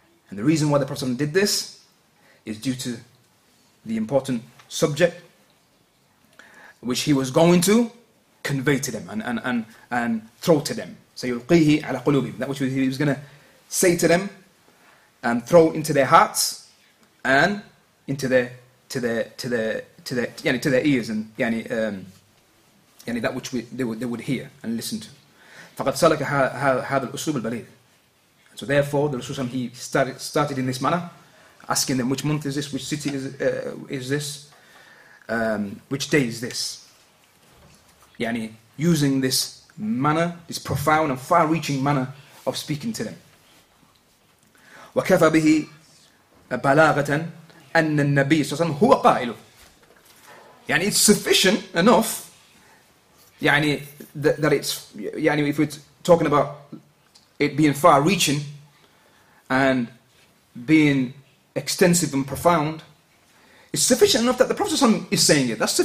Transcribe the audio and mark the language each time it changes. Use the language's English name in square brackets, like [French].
[English] And the reason why the Prophet did this is due to the important subject which he was going to convey to them and throw to them. [Arabic] سَيُلْقِيهِ عَلَى قُلُوبِهِمْ. [English] That which he was going to say to them and throw into their hearts and into their ears and يعني that which we, they would hear and listen to. [Arabic] فقد سلك هذا الأسلوب البليغ. [English] So therefore, the Rasulullah he started in this manner, asking them which month is this, which city is this, which day is this. يعني using this manner, this profound and far-reaching manner of speaking to them. [Arabic] وكفى به بلاغة أن النبي صلى الله عليه وسلم هو قائل. [English] يعني it's sufficient enough. يعني that it's يعني if we're talking about it being far-reaching and being extensive and profound, it's sufficient enough that the Prophet is saying it.